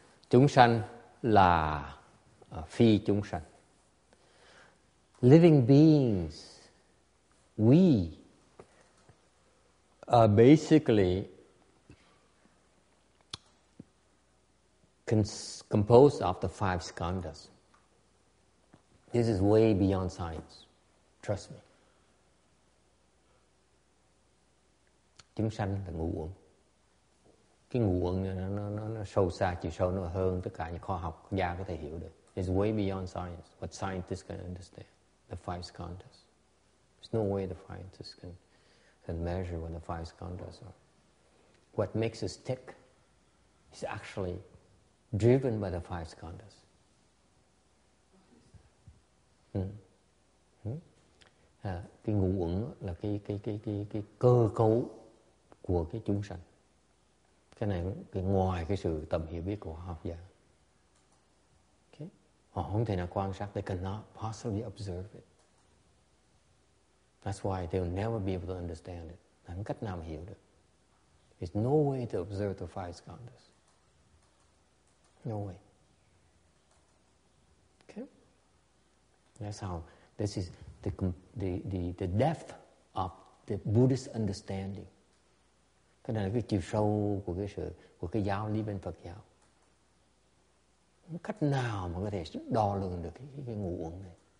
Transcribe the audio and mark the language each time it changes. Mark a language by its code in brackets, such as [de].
[vi] Chúng sanh là phi chúng sanh. [en] Living beings, we are basically composed of the five skandhas. This is way beyond science. Trust me. [vi] Chúng sanh là ngũ uẩn. Cái ngũ uẩn nó sâu xa, chiều sâu nó hơn tất cả những khoa học gia có thể hiểu được. [en] It's way beyond science, what scientists can understand. The five skandhas. There's no way the scientists can measure what the five skandhas are. What makes us tick is actually driven by the five skandhas. [vi] Cái ngũ uẩn là cái cơ cấu của cái chúng sanh. Cái này cái ngoài cái sự tầm hiểu biết của học giả. [en] Okay. [vi] Họ không thể nào quan sát. [en] They cannot possibly observe it. That's why they'll never be able to understand it. [vi] Không cách nào hiểu được. [en] There's no way to observe the five skandhas. No way. Okay? That's how this is the depth of the Buddhist understanding. [vi] Cái này là cái chiều sâu của cái sự của cái giáo lý bên Phật giáo. Không cách nào mà có thể đo lường được cái ngũ uẩn này.